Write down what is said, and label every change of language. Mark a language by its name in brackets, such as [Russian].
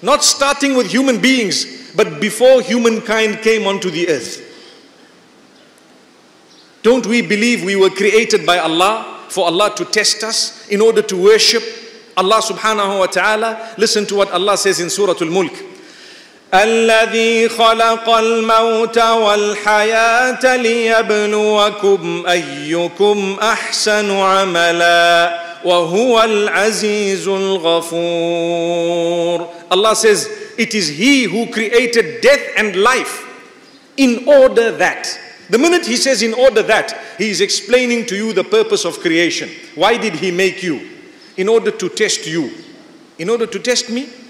[English] Not starting with human beings, but before humankind came onto the earth. Don't we believe we were created by Allah for Allah to test us in order to worship Allah subhanahu wa ta'ala? Listen to what Allah says in Surah Al-Mulk. [Arabic] الذي خلق الموت والحياة ليبلوكم أيكم أحسن عملا وهو العزيز الغفور. [English] Allah says, it is He who created death and life in order that. The minute He says in order that, He is explaining to you the purpose of creation. Why did He make you? In order to test you. In order to test me?